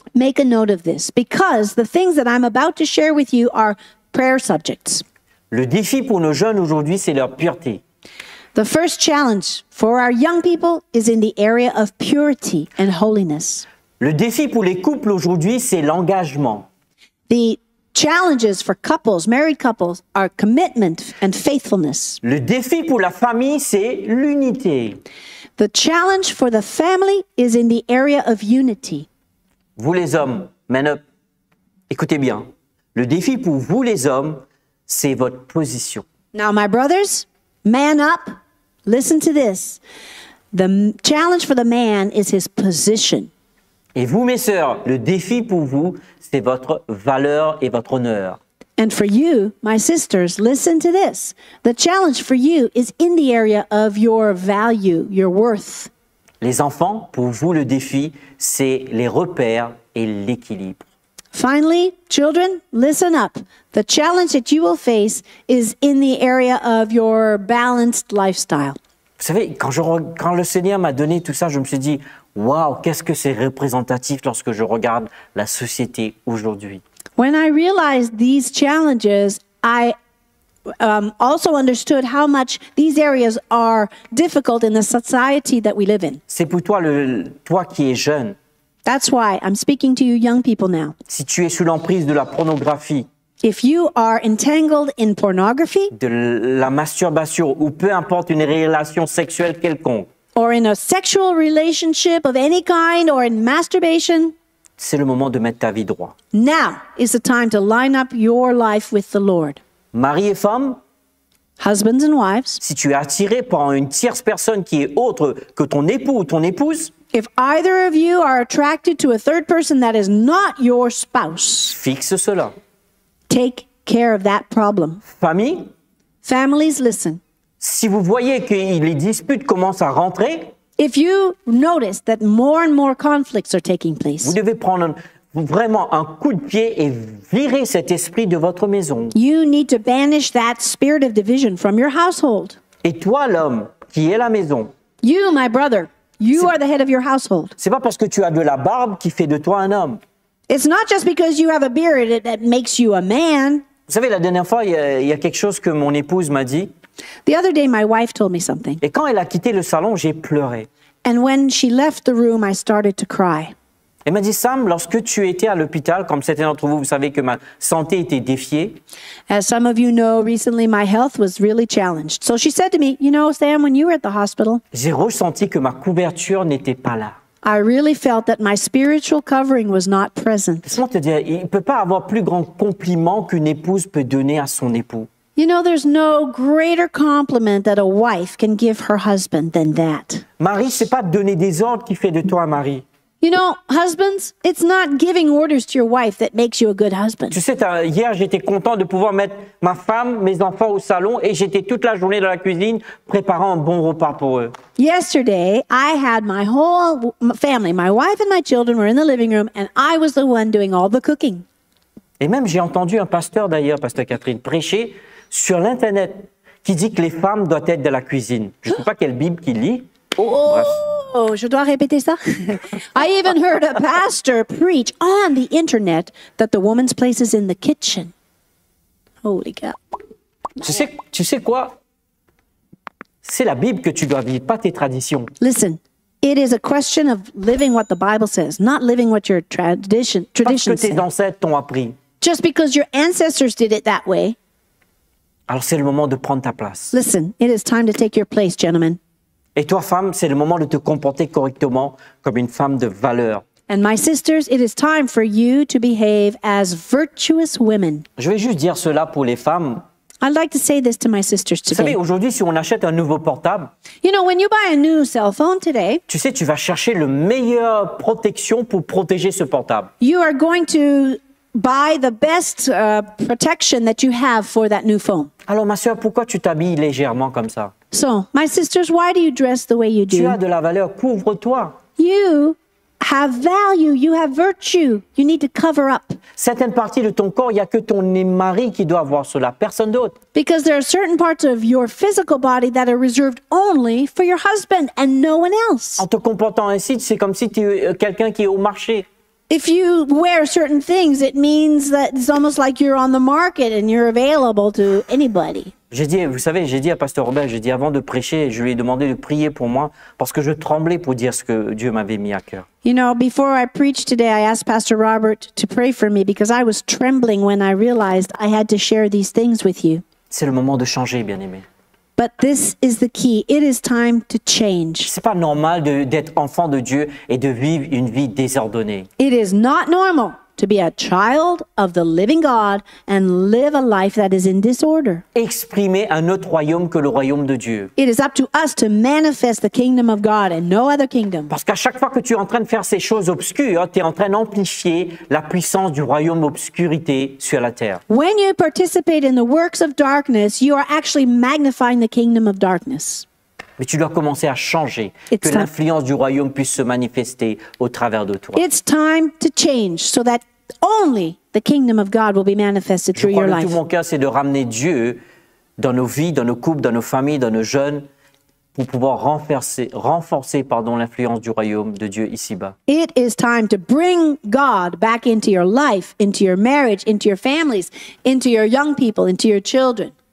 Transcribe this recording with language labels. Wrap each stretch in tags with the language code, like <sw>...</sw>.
<en>Make a note of this, because the things that I'm about to share with you are prayer subjects.</en> <fr>Le défi pour nos jeunes aujourd'hui, c'est leur pureté.</fr> <en>The first challenge for our young people is in the area of purity and holiness.</en> <fr>Le défi pour les couples aujourd'hui, c'est l'engagement.</fr> <en>The challenges for couples, married couples, are commitment and faithfulness.</en> <fr>Le défi pour la famille, c'est l'unité.</fr> <en>The challenge for the family is in the area of unity.</en> <fr>Vous les hommes,</fr> <en>man up.</en> <fr>Écoutez bien. Le défi pour vous les hommes, c'est votre position.</fr> <en>Now, my brothers, man up. Listen to this. The challenge for the man is his position.</en> <fr>Et vous, mes sœurs, le défi pour vous, c'est votre valeur et votre honneur.</fr> <en>And for you, my sisters, listen to this. The challenge for you is in the area of your value, your worth.</en> <fr>Les enfants, pour vous, le défi, c'est les repères et l'équilibre.</fr> <en>Finally, children, listen up. The challenge that you will face is in the area of your balanced lifestyle.</en> <fr>Vous savez, quand le Seigneur m'a donné tout ça, je me suis dit, waouh, qu'est-ce que c'est représentatif lorsque je regarde la société aujourd'hui.</fr> <en>When I realized these challenges, I also understood how much these areas are difficult in the society that we live in.</en> <fr>C'est pour toi, toi qui es jeune.</fr> <en>That's why I'm speaking to you young people now.</en> <fr>Si tu es sous l'emprise de la pornographie,</fr> <en>if you are entangled in pornography,</en> <fr>de la masturbation ou peu importe une relation sexuelle quelconque,</fr> <en>or in a sexual relationship of any kind or in masturbation,</en> <fr>c'est le moment de mettre ta vie droit.</fr> <en>Now is the time to line up your life with the Lord.</en> <fr>Mari et femme,</fr> <en>husbands and wives,</en> <fr>si tu es attiré par une tierce personne qui est autre que ton époux ou ton épouse,</fr> <en>if either of you are attracted to a third person that is not your spouse,</en> <fr>fixe cela.</fr> <en>Take care of that problem.</en> <fr>Famille,</fr> <en>families, listen.</en> <fr>Si vous voyez que les disputes commencent à rentrer,</fr> <en>if you notice that more and more conflicts are taking place,</en> <fr>vous devez prendre vraiment un coup de pied et virer cet esprit de votre maison.</fr> <en>You need to banish that spirit of division from your household.</en> <fr>Et toi, l'homme, qui est la maison,</fr> <en>you, my brother, you are the head of your household.</en> <fr>C'est pas parce que tu as de la barbe qui fait de toi un homme.</fr> <en>It's not just because you have a beard that makes you a man.</en> <fr>Vous savez, la dernière fois, il y a quelque chose que mon épouse m'a dit.</fr> <en>The other day, my wife told me something.</en> <fr>Et quand elle a quitté le salon, j'ai pleuré.</fr> <en>And when she left the room, I started to cry.</en> <fr>Elle m'a dit, Sam, lorsque tu étais à l'hôpital, comme certains d'entre vous, vous savez que ma santé était défiée.</fr> <en>As some of you know, recently my health was really challenged. So she said to me, you know, Sam, when you were at the hospital,</en> <fr>j'ai ressenti que ma couverture n'était pas là.</fr> <en>I really felt that my spiritual covering was not present.</en> <fr>Je veux te dire, il ne peut pas avoir plus grand compliment qu'une épouse peut donner à son époux.</fr> <en>You know, there's no greater compliment that a wife can give her husband than that.</en> <fr>Marie, ce n'est pas donner des ordres qui fait de toi, Marie.</fr> <en>You know, husbands, it's not giving orders to your wife that makes you a good husband.</en> <fr>Tu sais, hier, j'étais content de pouvoir mettre ma femme, mes enfants au salon et j'étais toute la journée dans la cuisine préparant un bon repas pour eux.</fr> <en>Yesterday, I had my whole family, my wife and my children were in the living room and I was the one doing all the cooking.</en> <fr>Et même, j'ai entendu un pasteur d'ailleurs, pasteur Kathryn, prêcher sur l'internet qui dit que les femmes doivent être de la cuisine. Je ne sais pas quelle Bible qu'il lit. Oh, oh. Bref. Oh, je dois répéter ça?</fr> <en>I even heard a pastor preach on the internet that the woman's place is in the kitchen. Holy cow.</en> <fr>Tu sais quoi? C'est la Bible que tu dois vivre, pas tes traditions.</fr> <en>Listen, it is a question of living what the Bible says, not living what your tradition</en> <fr>says. Parce que tes ancêtres t'ont appris.</fr> <en>Just because your ancestors did it that way.</en> <fr>Alors c'est le moment de prendre ta place.</fr> <en>Listen, it is time to take your place, gentlemen.</en> <fr>Et toi, femme, c'est le moment de te comporter correctement comme une femme de valeur.</fr> <en>And my sisters, it is time for you to behave as virtuous women.</en> <fr>Je vais juste dire cela pour les femmes.</fr> <en>I'd like to say this to my sisters today.</en> <fr>Vous savez, aujourd'hui, si on achète un nouveau portable,</fr> <en>you know, when you buy a new cell phone today,</en> <fr>tu sais, tu vas chercher le meilleur protection pour protéger ce portable.</fr> <en>You are going to buy the best protection that you have for that new phone.</en> <fr>Alors, ma sœur, pourquoi tu t'habilles légèrement comme ça?</fr> <en>So, my sisters, why do you dress the way you do?</en> <fr>Tu as de la valeur, couvre-toi.</fr> <en>You have value, you have virtue, you need to cover up.</en> <fr>Certaines parties de ton corps, il n'y a que ton mari qui doit voir cela, personne d'autre.</fr> <en>Because there are certain parts of your physical body that are reserved only for your husband and no one else.</en> <fr>En te comportant ainsi, c'est comme si tu es quelqu'un qui est au marché.</fr> <en>If you wear certain things, it means that it's almost like you're on the market and you're available to anybody.</en> <fr>J'ai dit, vous savez, j'ai dit à Pasteur Robert, j'ai dit avant de prêcher, je lui ai demandé de prier pour moi parce que je tremblais pour dire ce que Dieu m'avait mis à cœur.</fr> <en>You know, before I preached today, I asked Pastor Robert to pray for me because I was trembling when I realized I had to share these things with you.</en> <fr>C'est le moment de changer, bien-aimé.</fr> <en>But this is the key. It is time to change.</en> <fr>C'est pas normal d'être enfant de Dieu et de vivre une vie désordonnée.</fr> <en>It is not normal to be a child of the living God and live a life that is in disorder.</en> <fr>Exprimer un autre royaume que le royaume de Dieu.</fr> <en>It is up to us to manifest the kingdom of God and no other kingdom.</en> <fr>Parce qu'à chaque fois que tu es en train de faire ces choses obscures, tu es en train d'amplifier la puissance du royaume obscurité sur la terre.</fr> <en>When you participate in the works of darkness, you are actually magnifying the kingdom of darkness.</en> <fr>Mais tu dois commencer à changer,</fr> <en>it's</en> <fr>que l'influence du royaume puisse se manifester au travers de toi.</fr> <en>It's time to change so that only the kingdom of God will be manifested through your life.</en> <fr>Je crois de tout mon cœur, c'est de ramener Dieu dans nos vies, dans nos couples, dans nos familles, dans nos jeunes, pour pouvoir renforcer l'influence du royaume de Dieu ici-bas.</fr> <en>It is time to bring God back into your life, into your marriage, into your families, into your young people, into your children.</en>